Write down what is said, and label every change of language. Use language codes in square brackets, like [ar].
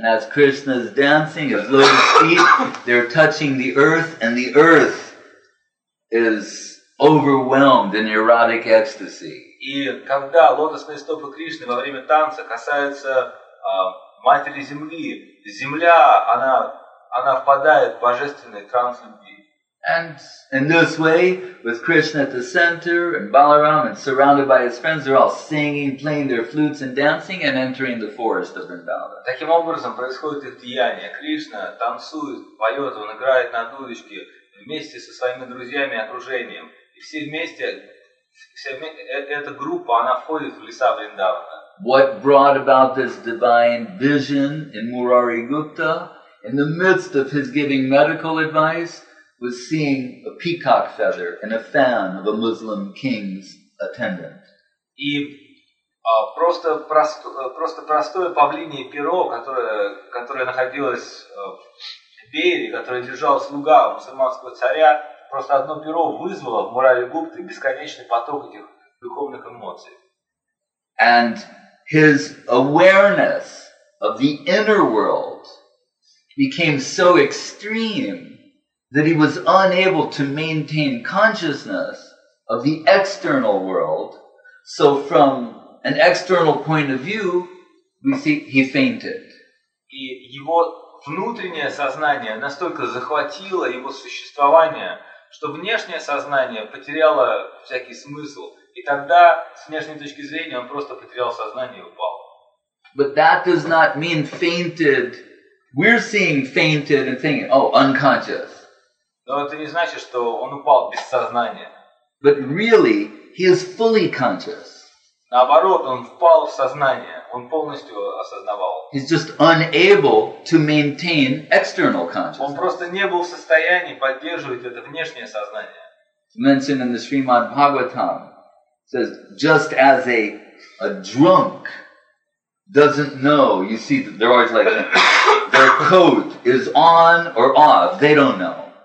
[en] And as Krishna is dancing, his lotus feet, they're touching the earth, and the earth is overwhelmed in erotic ecstasy. [ru] И когда лотосные стопы Кришны во время танца касаются матери земли, земля, она впадает в божественный транс любви. [en] And in this way, with Krishna at the center and Balaram and surrounded by his friends, they're all singing, playing their flutes and dancing and entering the forest of Vrindavan. [ru] Таким образом происходит их деяние. Кришна танцует, поет, он играет на дудочке вместе со своими друзьями и окружением. И все вместе, эта группа, она входит в леса Вриндавана. [en] What brought about this divine vision in Murari Gupta, in the midst of his giving medical advice, was seeing a peacock feather and a fan of a Muslim king's attendant. [ru] И просто простое павлинье перо, которое находилось в вере, которое держал слуга мусульманского царя, просто одно перо вызвало в Мурари Гупте бесконечный поток этих духовных эмоций. [en] And his awareness of the inner world became so extreme that he was unable to maintain consciousness of the external world. So from an external point of view, we see he fainted. [ru] И его внутреннее сознание настолько захватило его существование, что внешнее сознание потеряло всякий смысл. И тогда, с внешней точки зрения, он просто потерял сознание и упал. [en] But that does not mean fainted. We're seeing fainted and thinking, oh, unconscious. [ru] Но это не значит, что он упал без сознания. [en] But really, he is fully conscious. [ru] Наоборот, он впал в сознание. Он полностью осознавал. [en] He's just unable to maintain external consciousness. [ru] Он просто не был в состоянии поддерживать это внешнее сознание. [en] Mentioned in the Srimad Bhagavatam, says, just as a drunk doesn't know, you see, they're always like, their coat is on or off, they don't know.